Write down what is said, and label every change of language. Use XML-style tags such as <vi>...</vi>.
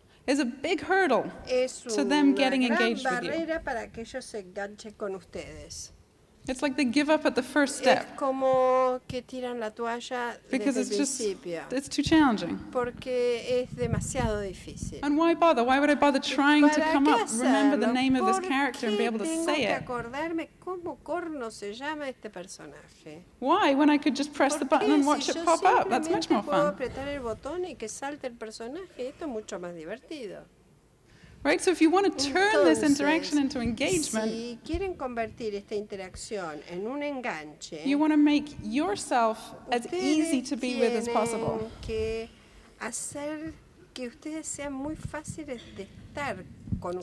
<en>Is a big hurdle to them getting engaged with you.</en> <es>Es una barrera para que ellos se enganchen con ustedes.</es> <en>It's like they give up at the first step.</en> <es>Es como que tiran la toalla</es> <en>because</en> <es>desde</es> <en>it's</en> <es>el principio.</es> <en>Just, it's too challenging.</en> <es>Porque es demasiado difícil.</es> <en>And why bother? Why would I bother trying to come up,</en> <es>hacerlo?</es> <en>Remember the name of this character and be able to say it?</en> <es>¿Por qué tengo que acordarme cómo corno se llama este personaje?</es> <en>Why, when I could just press the button and watch</en> <es>si</es> <en>it pop up? That's much more fun.</en> <es>Puedo apretar el botón y que salte el personaje. Esto es mucho más divertido.</es> <en>Right, so if you want to turn</en> <es>entonces,</es> <en>this interaction into engagement,</en> <es>si quieren convertir esta interacción en un enganche,</es> <en>you want to make yourself as easy to be with as possible.</en> <es>Que hacer que ustedes sean muy fáciles de estar con</es>